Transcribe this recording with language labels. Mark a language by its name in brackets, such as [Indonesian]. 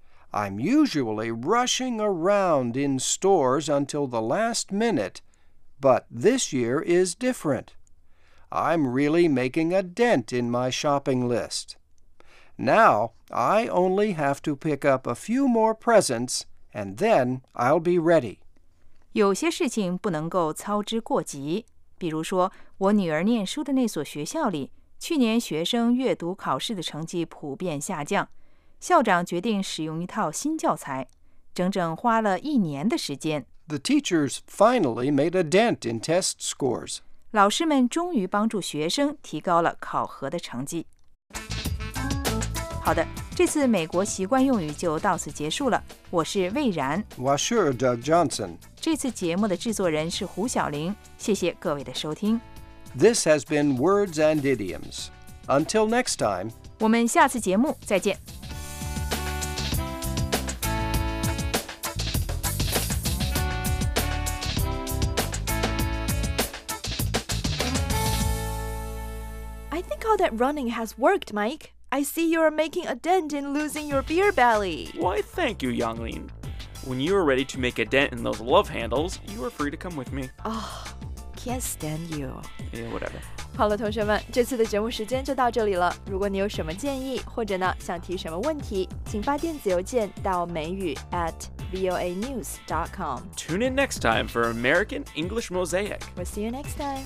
[English] I'm usually rushing around in stores until the last minute. But this year is different. I'm really making a dent in my shopping list. Now, I only have to pick up a few more presents, and then I'll be ready. [Chinese] 有些事情不能够操之过急。比如说，我女儿念书的那所学校里，去年学生阅读考试的成绩普遍下降。校长决定使用一套新教材，整整花了一年的时间。 [English] The teachers finally made a dent in test scores. [Chinese] 老师们终于帮助学生提高了考核的成绩。好的，这次美国习惯用语就到此结束了。我是魏然。 [English] Washer Doug Johnson. [Chinese] 这次节目的制作人是胡晓玲。谢谢各位的收听。 [English] This has been Words and Idioms. Until next time. [Chinese] 我们下次节目再见。 [English] That running has worked, Mike. I see you are making a dent in losing your beer belly. Why, thank you, Yanglin. When you are ready to make a dent in those love handles, you are free to come with me. Oh, can't stand you. Yeah, whatever. [Chinese] 好了，同学们，这次的节目时间就到这里了。如果你有什么建议，或者呢想提什么问题，请发电子邮件到美语 @voanews.com. [English] Tune in next time for American English Mosaic. We'll see you next time.